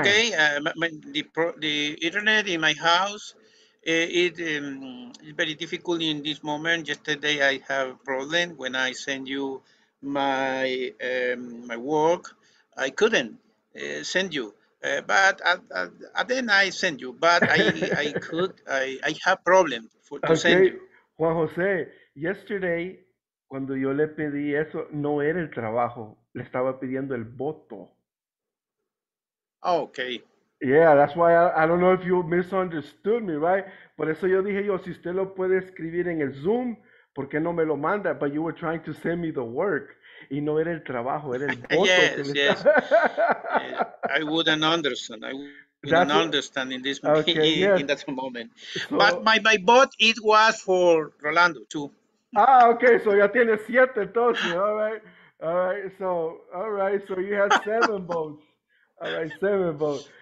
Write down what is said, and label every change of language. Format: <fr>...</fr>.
<en>Okay, the internet in my house, it's very difficult in this moment. Yesterday I have a problem when I send you my my work. I couldn't send you, but at then I send you, but I have problem to send you.</en> <es>Juan José, yesterday, cuando yo le pedí eso, no era el trabajo, le estaba pidiendo el voto.</es> <en>Okay. Yeah, that's why I don't know if you misunderstood me, right?</en> <es>Por eso yo dije yo, si usted lo puede escribir en el Zoom, ¿por qué no me lo manda?</es> <en>But you were trying to send me the work.</en> <es>Y no era el trabajo, era el voto.</es> <en>Yes. I wouldn't understand. I wouldn't understand in this in that moment. So, but my vote, it was for Rolando, too. Ah, okay, so</en> <es>ya tiene siete, entonces,</es> <en>all right, so you have seven votes. All right, seven votes.</en>